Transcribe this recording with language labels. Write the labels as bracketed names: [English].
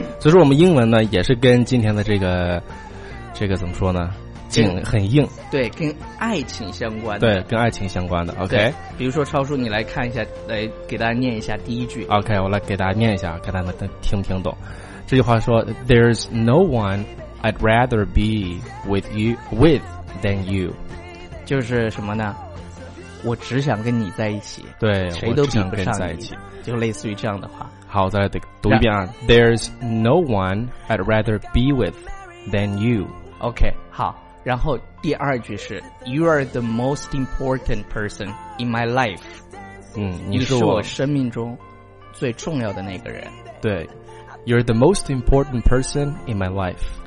[Chinese] 所以说我们英文呢也是跟今天的这个怎么说呢，紧很硬。对，跟爱情相关的。对，跟爱情相关的。OK，比如说超叔你来看一下，来给大家念一下第一句。 OK， 我来给大家念一下，看大家能听不听懂这句话。 [English] 说 There's no one I'd rather be with you with than you， [Chinese] 就是什么呢，我只想跟你在一起。对，谁都想跟在一起，就类似于这样的话。好，再来读一遍啊。 [English] There's no one I'd rather be with than you。 OK， [Chinese] 好。然后第二句是 [English] You are the most important person in my life。嗯， [Chinese] 你是我生命中最重要的那个人。 [English] 对， You're the most important person in my life。